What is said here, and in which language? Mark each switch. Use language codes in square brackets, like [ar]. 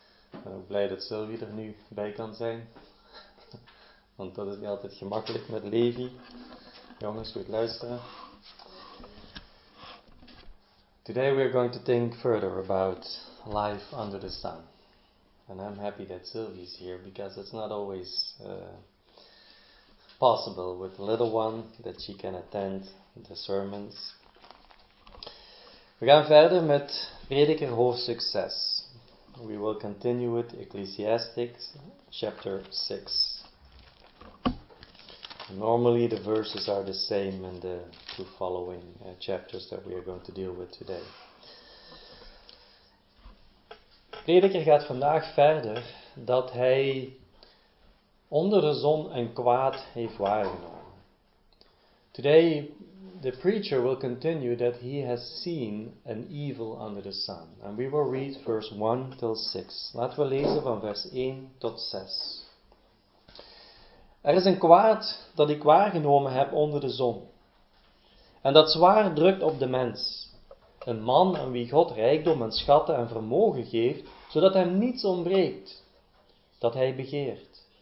[nl] Ik ben ook blij dat Sylvie er nu bij kan zijn. Want dat is niet altijd gemakkelijk met Levi. Jongens, goed luisteren. [en] Today we are going to think further about life under the sun. And I'm happy that Sylvie is here, because it's not always possible with the little one that she can attend the sermons. [nl] We gaan verder met Prediker hoofdstuk 6. [en] We will continue with Ecclesiastes chapter 6. Normally the verses are the same in the two following chapters that we are going to deal with today. [nl] Prediker gaat vandaag verder dat hij onder de zon een kwaad heeft waargenomen. [en] Today, the preacher will continue that he has seen an evil under the sun. And we will read verse 1 till 6. [nl] Laten we lezen van vers 1 tot 6. Er is een kwaad dat ik waargenomen heb onder de zon. En dat zwaar drukt op de mens. Een man aan wie God rijkdom en schatten en vermogen geeft, zodat hem niets ontbreekt dat hij begeert.